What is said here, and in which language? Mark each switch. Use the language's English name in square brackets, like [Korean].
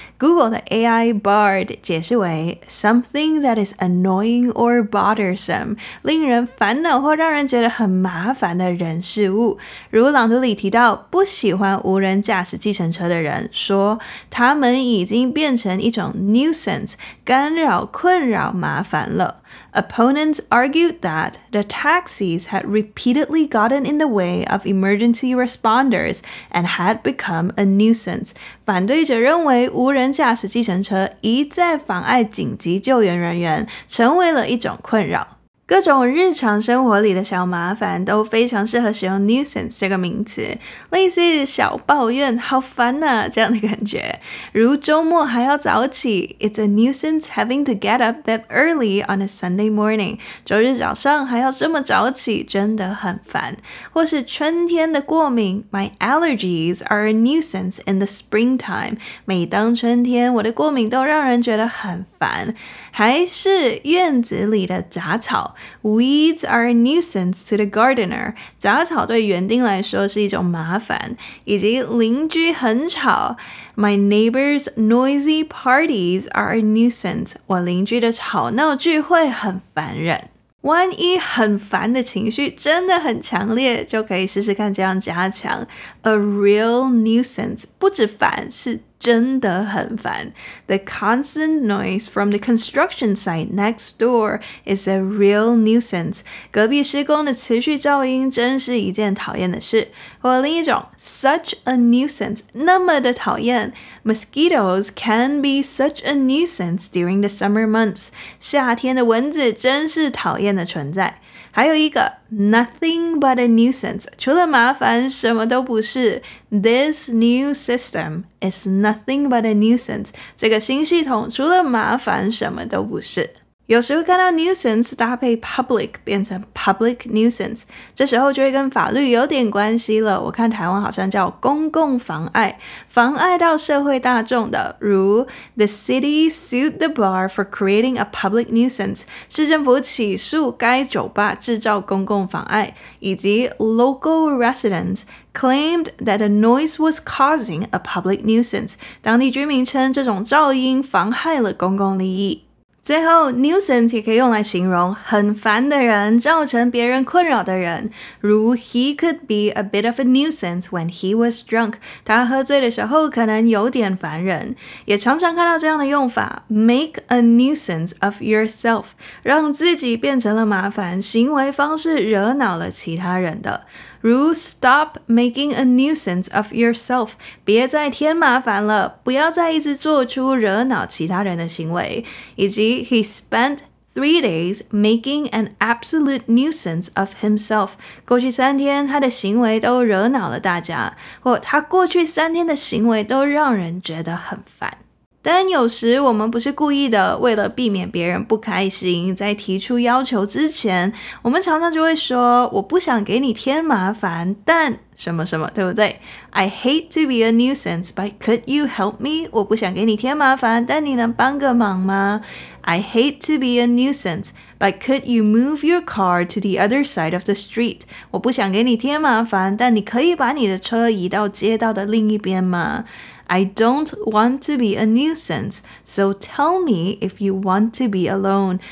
[Chinese] Google 的 AI Bard 解释为 [English] something that is annoying or bothersome, [Chinese] 令人烦恼或让人觉得很麻烦的人事物。如朗读里提到，不喜欢无人驾驶计程车的人说，他们已经变成一种 nuisance, 干扰、困扰、麻烦了。 [English] Opponents argued that the taxis had repeatedly gotten in the way of emergency responders and had become a nuisance. [Chinese] 反对者认为无人驾驶计程车一再妨碍紧急救援人员，成为了一种困扰。各种日常生活里的小麻烦都非常适合使用 nuisance 这个名词，类似小抱怨，好烦啊，这样的感觉。如周末还要早起， [English] It's a nuisance having to get up that early on a Sunday morning. [Chinese] 周日早上还要这么早起，真的很烦。或是春天的过敏， [English] My allergies are a nuisance in the springtime. [Chinese] 每当春天，我的过敏都让人觉得很烦。还是院子里的杂草， [English] Weeds are a nuisance to the gardener. [Chinese] 杂草对园丁来说是一种麻烦。以及邻居很吵， [English] My neighbor's noisy parties are a nuisance. [Chinese] 我邻居的吵闹聚会很烦人。万一很烦的情绪真的很强烈，就可以试试看这样加强。 [English] A real nuisance [Chinese] 不止烦，是真的很烦。 [English] The constant noise from the construction site next door is a real nuisance. [Chinese] 隔壁施工的持续噪音真是一件讨厌的事。或另一种， [English] such a nuisance, [Chinese] 那么的讨厌。 [English] Mosquitoes can be such a nuisance during the summer months. [Chinese] 夏天的蚊子真是讨厌的存在。还有一个 [English] nothing but a nuisance, [Chinese] 除了麻烦什么都不是。 [English] This new system is nothing but a nuisance, [Chinese] 这个新系统除了麻烦什么都不是。有时候看到 nuisance 搭配 public 变成 [English] public nuisance, [Chinese] 这时候就会跟法律有点关系了。我看台湾好像叫公共妨碍，妨碍到社会大众的，如 [English] The city sued the bar for creating a public nuisance, [Chinese] 市政府起诉该酒吧制造公共妨碍，以及 [English] local residentsclaimed that a noise was causing a public nuisance. [Chinese] 当地居民称这种噪音妨害了公共利益。最后 ,nuisance 也可以用来形容很烦的人，造成别人困扰的人。 [English] 如 ,he could be a bit of a nuisance when he was drunk. [Chinese] 他喝醉的时候可能有点烦人。也常常看到这样的用法 , [English] make a nuisance of yourself. [Chinese] 让自己变成了麻烦，行为方式惹恼了其他人的。 [English] 如 ,stop making a nuisance of yourself. [Chinese] 别再添麻烦了，不要再一直做出惹恼其他人的行为。 [English] 以及 ,he spent 3 days making an absolute nuisance of himself. [Chinese] 过去三天他的行为都惹恼了大家，或他过去三天的行为都让人觉得很烦。但有时我们不是故意的，为了避免别人不开心，在提出要求之前，我们常常就会说，我不想给你添麻烦，但什么什么，对不对？ [English] I hate to be a nuisance, but could you help me? [Chinese] 我不想给你添麻烦，但你能帮个忙吗？ [English] I hate to be a nuisance, but could you move your car to the other side of the street? [Chinese] 我不想给你添麻烦，但你可以把你的车移到街道的另一边吗？ [English] I don't want to be a nuisance, so tell me if you want to be alone.